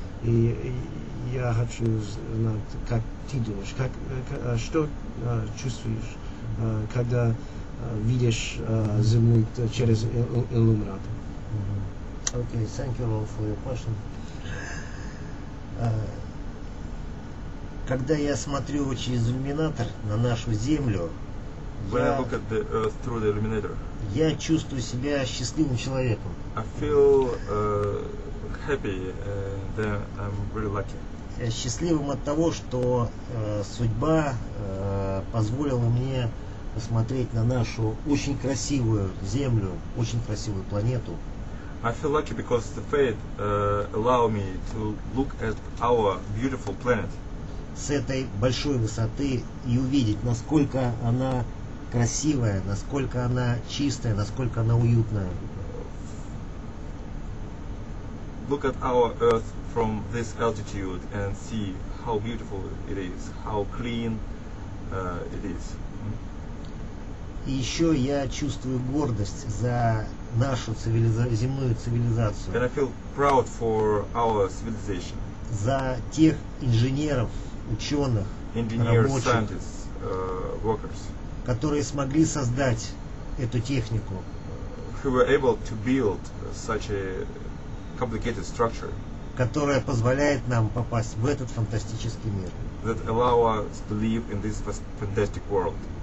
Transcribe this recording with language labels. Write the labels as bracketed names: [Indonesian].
[Russian] И я хочу знать, как ты думаешь, как, что чувствуешь, когда видишь Землю через иллюминатор. [English] Mm-hmm. Okay, thank you all for your question. [Russian] Когда я смотрю через иллюминатор на нашу Землю, [English] when I look at the Earth through the illuminator, [Russian] я чувствую себя счастливым человеком. [English] I feel happy, then I'm really lucky. [Russian] Счастливым от того, что судьба позволила мне посмотреть на нашу очень красивую Землю, очень красивую планету. [English] I feel lucky because the fate allowed me to look at our beautiful planet. [Russian] С этой большой высоты и увидеть, насколько она красивая, насколько она чистая, насколько она уютная. [English] Look at our Earth from this altitude and see how beautiful it is, how clean it is. [Russian] И еще я чувствую гордость за нашу земную цивилизацию. [English] And I feel proud for our civilization. [Russian] За тех инженеров, ученых, рабочих, [English] scientists, workers, [Russian] которые смогли создать эту технику. [English] Who were able to build such a complicated structure, [Russian] которая позволяет нам попасть в этот фантастический мир. [English] That allow us to live in this fantastic world.